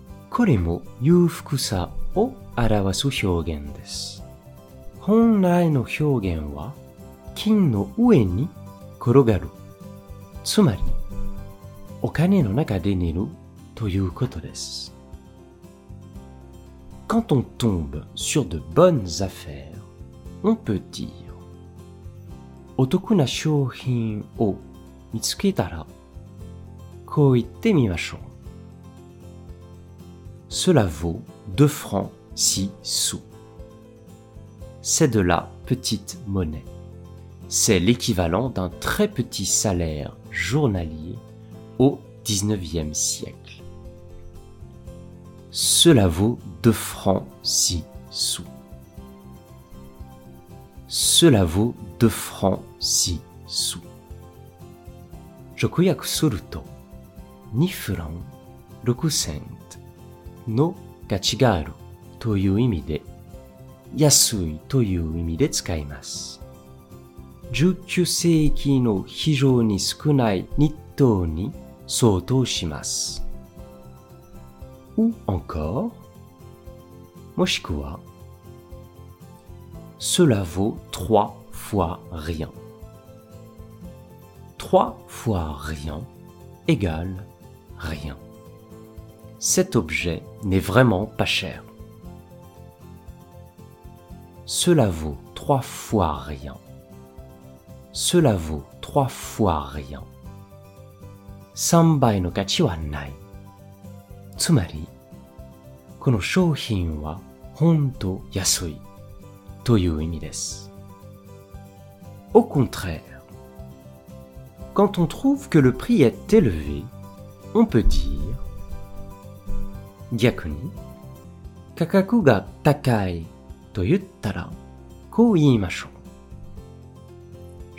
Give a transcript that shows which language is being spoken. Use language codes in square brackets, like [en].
[ja] これも裕福さを表す表現です。本来の表現は金の上に転がる。つまり、お金の中で寝るということです。 [fr] Quand on tombe sur de bonnes affaires, on peut dire. [ja] お得な商品を見つけたら、こう言ってみましょう。 [fr] Cela vaut 2 francs 6 sous. C'est de la petite monnaie. C'est l'équivalent d'un très petit salaire journalier au 19e siècle. Cela vaut 2 francs 6 sous. Cela vaut 2 francs 6 sous. [ja] 直訳すると、2フラン6セントの価値があるという意味で、安いという意味で使います。 19世紀の非常に少ない日当に相当します。 [fr] Ou encore? [ja] もしくは、 [fr] Cela vaut 3 fois rien. 3 fois rien égale rien. Cet objet n'est vraiment pas cher. Cela vaut 3 fois rien. Cela vaut 3 fois rien. [ja] 3倍の価値はない。つまり、この商品は本当安い。という意味です。 [fr] Au contraire, quand on trouve que le prix est élevé, on peut dire [ja] 逆に、価格が高いと言ったら、こう言いましょう。